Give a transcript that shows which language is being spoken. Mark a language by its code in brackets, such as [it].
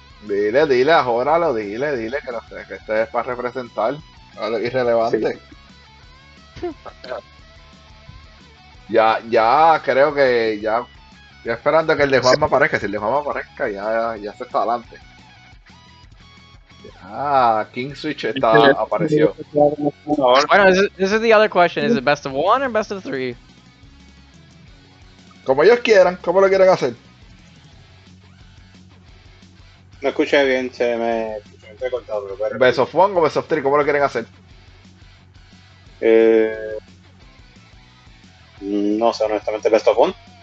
[es] Dile, dile, ajóralo, dile, dile que, no sé, que este es para representar a lo irrelevante. Sí. Ya, ya, creo que ya. Estoy esperando que el de Juanma aparezca. Si el de Juanma aparezca, ya, ya, ya se está adelante. Ah, King Switch está, apareció. [en] Bueno, this is the other question. Is it best of one or best of three? [es] Como ellos quieran, como lo quieran hacer. No escuché bien, se me entrecortado, pero ¿Best of One o Best of Three? ¿Cómo lo quieren hacer? No sé, honestamente, Best of One.